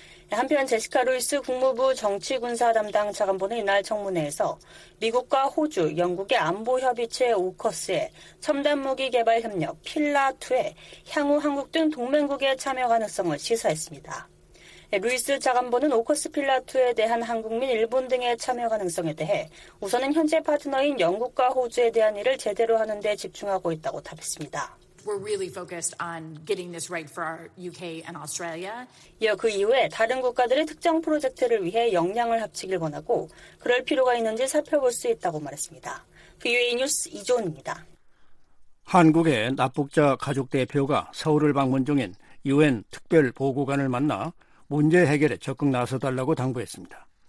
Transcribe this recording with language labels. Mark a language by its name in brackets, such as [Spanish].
[Korean] 한편 제시카 루이스 국무부 정치군사 담당 차관보는 이날 청문회에서 미국과 호주, 영국의 안보협의체 오커스에 첨단무기 개발 협력 필라2에 향후 한국 등 동맹국의 참여 가능성을 시사했습니다. 루이스 차관보는 오커스 필라2에 대한 한국 및 일본 등의 참여 가능성에 대해 우선은 현재 파트너인 영국과 호주에 대한 일을 제대로 하는 데 집중하고 있다고 답했습니다. [English] We're really focused on getting this right for our UK and Australia. [Korean] 이어 그 이후에 다른 국가들의 특정 프로젝트를 위해 역량을 합치길 원하고 그럴 필요가 있는지 살펴볼 수 있다고 말했습니다. VOA 뉴스 이조은입니다. 한국의 납북자 가족 대표가 서울을 방문 중인 UN 특별 보고관을 만나 문제 해결에 적극 나서달라고 당부했습니다.